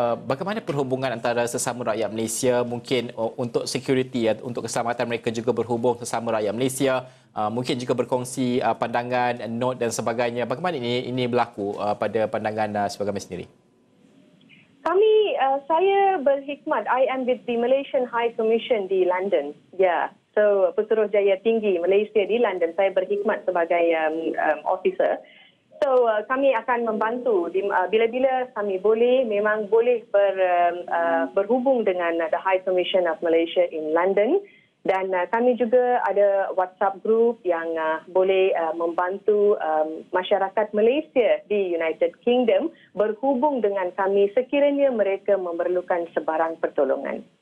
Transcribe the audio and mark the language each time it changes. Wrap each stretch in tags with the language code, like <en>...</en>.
<ms>Bagaimana perhubungan antara sesama rakyat Malaysia mungkin untuk security untuk keselamatan mereka juga berhubung sesama rakyat Malaysia mungkin juga berkongsi pandangan note dan sebagainya. Bagaimana ini berlaku pada pandangan sebagai mereka sendiri? Kami saya berkhidmat.</ms> <en>I am with the Malaysian High Commission</en> <ms>di London. So Pesuruhjaya Tinggi Malaysia di London. Saya berkhidmat sebagai officer. So kami akan membantu bila-bila kami boleh, memang boleh berhubung dengan</ms> <en>the High Commission of Malaysia in London</en> <ms>dan kami juga ada WhatsApp group yang boleh membantu masyarakat Malaysia di United Kingdom berhubung dengan kami sekiranya mereka memerlukan sebarang pertolongan.</ms>